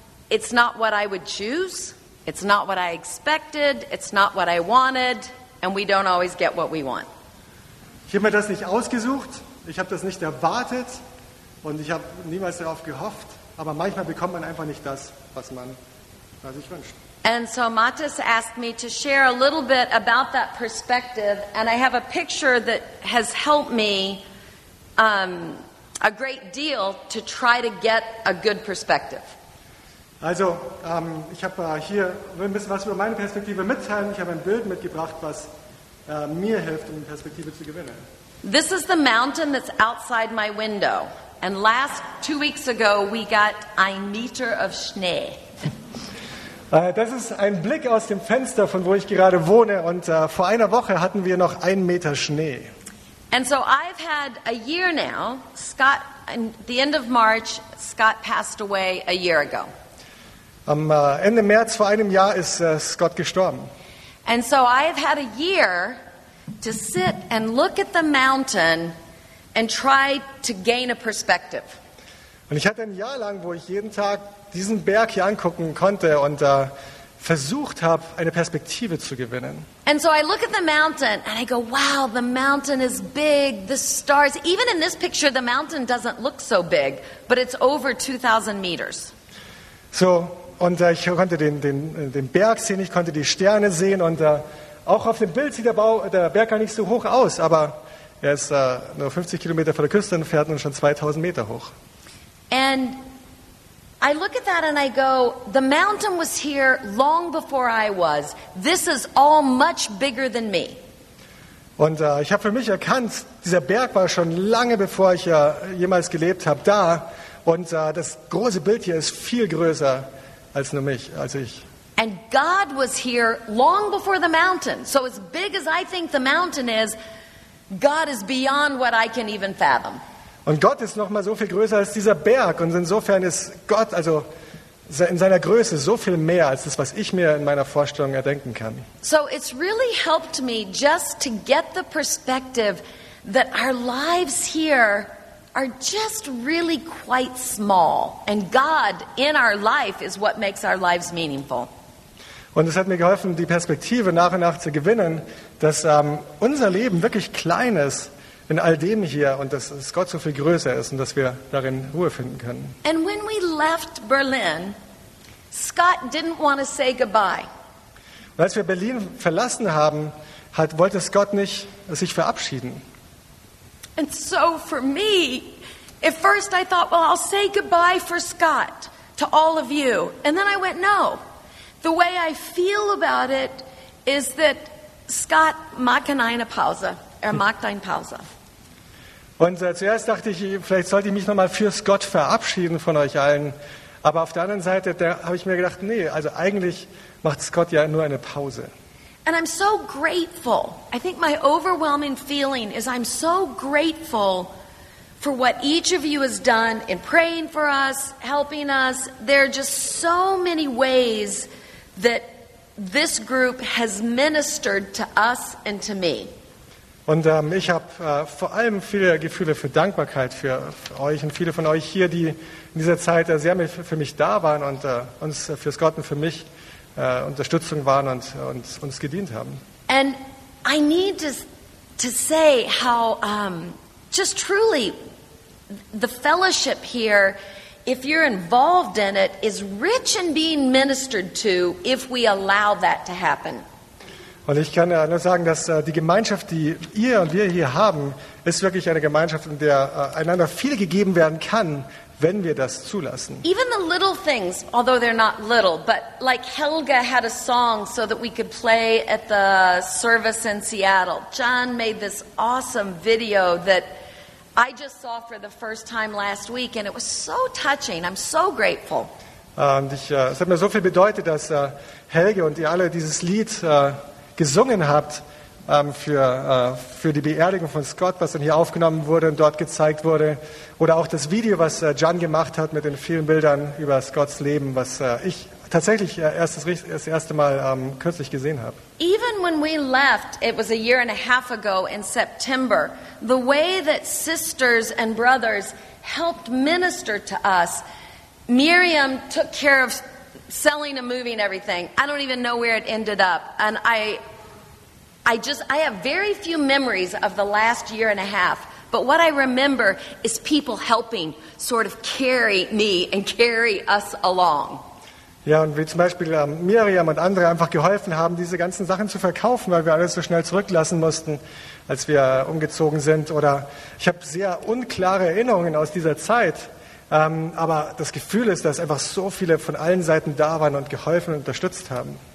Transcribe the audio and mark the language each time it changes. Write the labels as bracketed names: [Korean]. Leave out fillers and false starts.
[English] It's not what I would choose. It's not what I expected. It's not what I wanted. And we don't always get what we want. [German] Ich habe mir das nicht ausgesucht. Ich habe das nicht erwartet. Und ich habe niemals darauf gehofft. Aber manchmal bekommt man einfach nicht das, was man sich wünscht. [English] And so Mathis asked me to share a little bit about that perspective. And I have a picture that has helped me a great deal to try to get a good perspective. [German] Also, ich habe hier ein bisschen was über meine Perspektive mitteilen. Ich habe ein Bild mitgebracht, was mir hilft, um eine Perspektive zu gewinnen. [English] This is the mountain that's outside my window. And last 2 weeks ago, we got [German] ein Meter [English] of [German] Schnee. Das ist ein Blick aus dem Fenster, von wo ich gerade wohne. Und vor einer Woche hatten wir noch einen Meter Schnee. [English] And so I've had a year now. Scott, at the end of March, Scott passed away a year ago. [German] Am Ende März vor einem Jahr ist Scott gestorben. [English] And so I have had a year to sit and look at the mountain and try to gain a perspective. [German] Und ich hatte ein Jahr lang, wo ich jeden Tag diesen Berg hier angucken konnte und versucht habe, eine Perspektive zu gewinnen. [English] And so I look at the mountain and I go, wow, the mountain is big, the stars. Even in this picture, the mountain doesn't look so big, but it's over 2,000 meters. [German] So, und ich konnte den Berg sehen, ich konnte die Sterne sehen und auch auf dem Bild sieht der Berg gar nicht so hoch aus, aber er ist nur 50 Kilometer von der Küste entfernt und schon 2,000 Meter hoch. [English] And I look at that and I go, the mountain was here long before I was. This is all much bigger than me. [German] Und ich habe für mich erkannt, dieser Berg war schon lange bevor ich jemals gelebt habe da. Und das große Bild hier ist viel größer als nur mich, als ich. [English] And God was here long before the mountain. So as big as I think the mountain is, God is beyond what I can even fathom. [German] Und Gott ist noch mal so viel größer als dieser Berg. Und insofern ist Gott also in seiner Größe so viel mehr als das, was ich mir in meiner Vorstellung erdenken kann. [English] So it's really helped me just to get the perspective that our lives here are just really quite small. And God in our life is what makes our lives meaningful. [German] Und es hat mir geholfen, die Perspektive nach und nach zu gewinnen, dass unser Leben wirklich klein ist in all dem hier und dass Gott so viel größer ist und dass wir darin Ruhe finden können. [English] And when we left Berlin, Scott didn't want to say goodbye. [German] Und als wir Berlin verlassen haben, wollte Scott nicht sich verabschieden. [English] And so for me, at first I thought, well, I'll say goodbye for Scott to all of you. And then I went, no. The way I feel about it is that Scott [German] macht eine Pause. Macht eine Pause. Und zuerst dachte ich, vielleicht sollte ich mich nochmal für Scott verabschieden von euch allen. Aber auf der anderen Seite, da habe ich mir gedacht, nee, also eigentlich macht Scott ja nur eine Pause. [English] And I'm so grateful. I think my overwhelming feeling is I'm so grateful for what each of you has done in praying for us, helping us. There are just so many ways that this group has ministered to us and to me. [German] Und ich habe vor allem viele Gefühle für Dankbarkeit für euch und viele von euch hier, die in dieser Zeit sehr für mich da waren und uns für Scott und für mich Unterstützung waren und uns gedient haben. [English] And I need to say how just truly the fellowship here, if you're involved in it, is rich in being ministered to if we allow that to happen. [German] Und ich kann nur sagen, dass die Gemeinschaft, die ihr und wir hier haben, ist wirklich eine Gemeinschaft, in der einander viel gegeben werden kann, wenn wir das zulassen. [English] Even the little things, although they're not little, but like Helga had a song so that we could play at the service in Seattle. John made this awesome video that I just saw for the first time last week, and it was so touching. I'm so grateful. [German] Und es hat mir so viel bedeutet, dass Helge und ihr alle dieses Lied gesungen habt für die Beerdigung von Scott, was dann hier aufgenommen wurde und dort gezeigt wurde. Oder auch das Video, was John gemacht hat mit den vielen Bildern über Scotts Leben, was ich tatsächlich das erste Mal kürzlich gesehen habe. [English] Even when we left, it was a year and a half ago in September, the way that sisters and brothers helped minister to us, Miriam took care of selling and moving everything. I don't even know where it ended up. And I have very few memories of the last year and a half. But what I remember is people helping sort of carry me and carry us along. [German] Ja, und wie zum Beispiel Miriam und andere einfach geholfen haben, diese ganzen Sachen zu verkaufen, weil wir alles so schnell zurücklassen mussten, als wir umgezogen sind. Oder ich habe sehr unklare Erinnerungen aus dieser Zeit. Aber das Gefühl ist, dass einfach so viele von allen Seiten da waren und geholfen und unterstützt haben.